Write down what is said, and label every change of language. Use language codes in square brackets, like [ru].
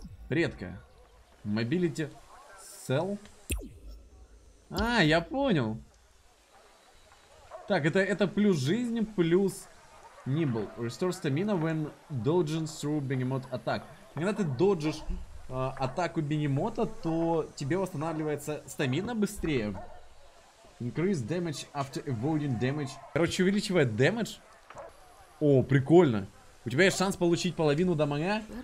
[ru] Редкое. Mobility cell. А, я понял. Так, это плюс жизнь, плюс nimble. [en] Restore stamina when dodging through Behemoth attack. [ru] Когда ты доджишь атаку Behemoth, то тебе восстанавливается стамина быстрее. [en] Increase damage after avoiding damage. [ru] Короче, увеличивает damage. О, прикольно. У тебя есть шанс получить половину дамага.